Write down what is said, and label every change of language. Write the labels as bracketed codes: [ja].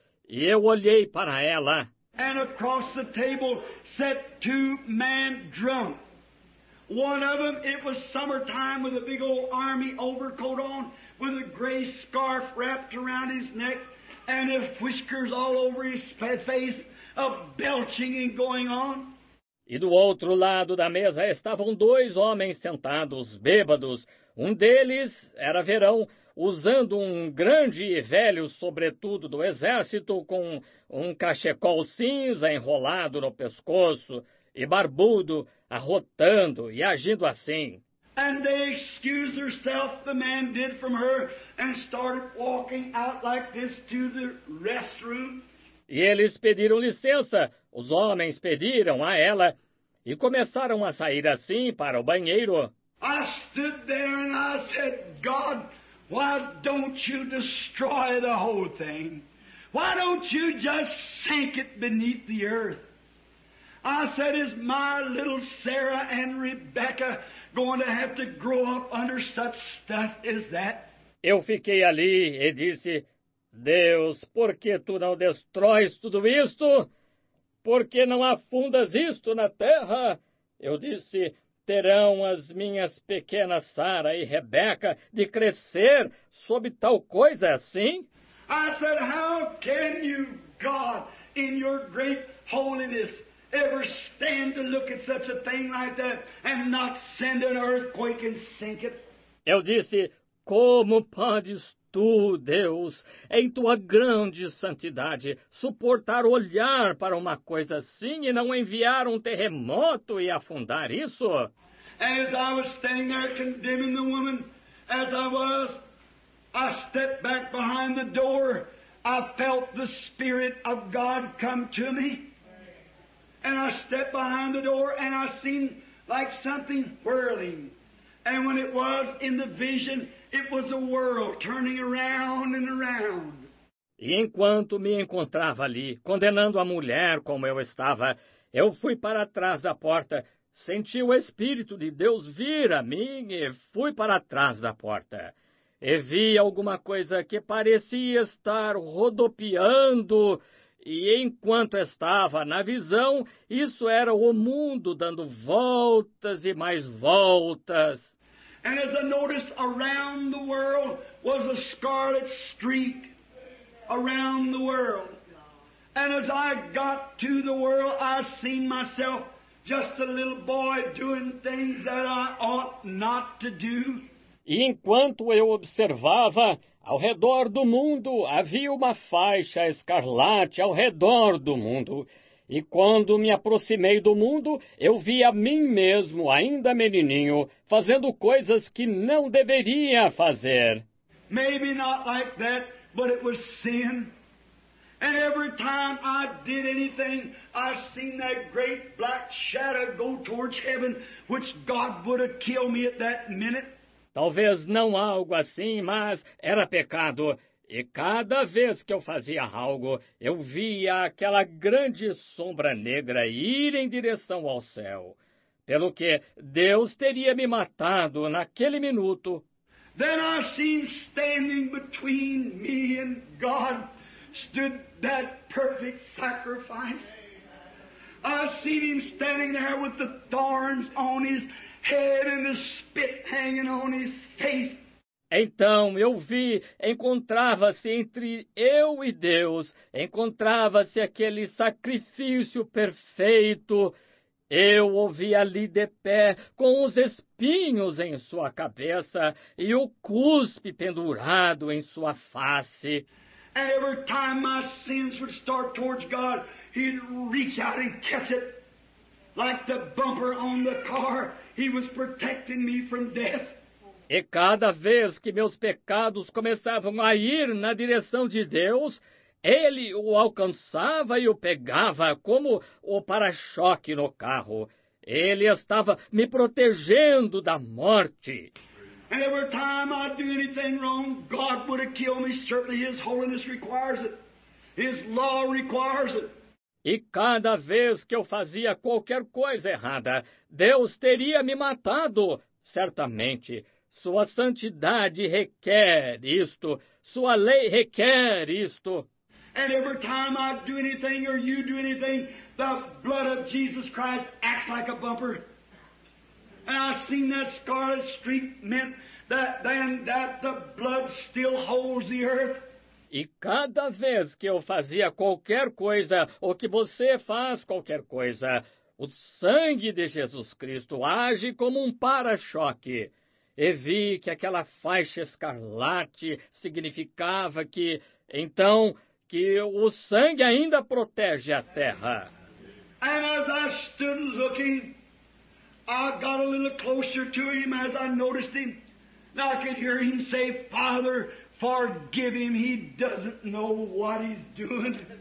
[pt] E eu olhei para ela. [en] And across the table sat two men drunk. One of them, it was summertime with a big old army overcoat on, with a gray scarf wrapped around his neck, and his whiskers all over his face, of belching and going on. [pt] E do outro lado da mesa estavam dois homens sentados, bêbados. Um deles era verão, usando um grande e velho sobretudo do exército com um cachecol cinza enrolado no pescoço e barbudo, arrotando e agindo assim. [en] And they excused herself, the man did from her, and started walking out like this to the restroom. [pt] E eles pediram licença, os homens pediram a ela, e começaram a sair assim para o banheiro. [en] I stood there and I said, God, why don't you destroy the whole thing? Why don't you just sink it beneath the earth? I said, is my little Sarah and Rebecca going to have to grow up under such stuff as that? [pt] Eu fiquei ali e disse, Deus, por que tu não destróis tudo isto? por que não afundas isto na terra? Eu disse, terão as minhas pequenas Sara e Rebeca de crescer sob tal coisa assim? [en] I said, how can you, God, in your great holiness, ever stand to look at such a thing like that and not send an earthquake and sink it? [pt] Eu disse, como podes tu, Deus, em tua grande santidade, suportar olhar para uma coisa assim e não enviar um terremoto e afundar isso? [en] As I was standing there condemning the woman, as I was, I stepped back behind the door. I felt the Spirit of God come to me. And I stepped behind the door and I seen like something whirling. And when it was in the vision, it was a world turning around and around. [pt] E enquanto me encontrava ali, condenando a mulher como eu estava, eu fui para trás da porta, senti o Espírito de Deus vir a mim e fui para trás da porta. E vi alguma coisa que parecia estar rodopiando. E enquanto estava na visão, isso era o mundo dando voltas e mais voltas. [en] And as I noticed, around the world was a scarlet streak around the world. And as I got to the world, I seen myself just a little boy doing things that I ought not to do. [pt] E enquanto eu observava, ao redor do mundo havia uma faixa escarlate ao redor do mundo. E quando me aproximei do mundo, eu vi a mim mesmo, ainda menininho, fazendo coisas que não deveria fazer. [en] Maybe not like that, but it was sin. And every time I did anything, I seen that great black shadow go towards heaven, which God would have killed me at that minute. [pt] Talvez não algo assim, mas era pecado. E cada vez que eu fazia algo, eu via aquela grande sombra negra ir em direção ao céu. Pelo que Deus teria me matado naquele minuto. [en] Then I seen standing between me and God stood that perfect sacrifice. I seen him standing there with the thorns on his head and the spit hanging on his face. [pt] Então eu vi, encontrava-se entre eu e Deus, encontrava-se aquele sacrifício perfeito. Eu o vi ali de pé, com os espinhos em sua cabeça e o cuspe pendurado em sua face. [en] And every time my sins would start towards God, he'd reach out and catch it. Like the bumper on the car, he was protecting me from death. [pt] E cada vez que meus pecados começavam a ir na direção de Deus, ele o alcançava e o pegava como o para-choque no carro. Ele estava me protegendo da morte. [en] And every time I'd do anything wrong, God would have killed me. Certainly his holiness requires it. His law requires it. [pt] E cada vez que eu fazia qualquer coisa errada, Deus teria me matado, certamente. Sua santidade requer isto. Sua lei requer isto. [en] And every time I do anything or you do anything, the blood of Jesus Christ acts like a bumper. And I've seen that scarlet streak meant that then that the blood still holds the earth. [pt] E cada vez que eu fazia qualquer coisa, ou que você faz qualquer coisa, o sangue de Jesus Cristo age como um para-choque. E vi que aquela faixa escarlate significava que, então, que o sangue ainda protege a terra. [en] And as I stood looking, I got a little closer to him as I noticed him. Now I could hear him say, Father, forgive him, he doesn't know what he's doing.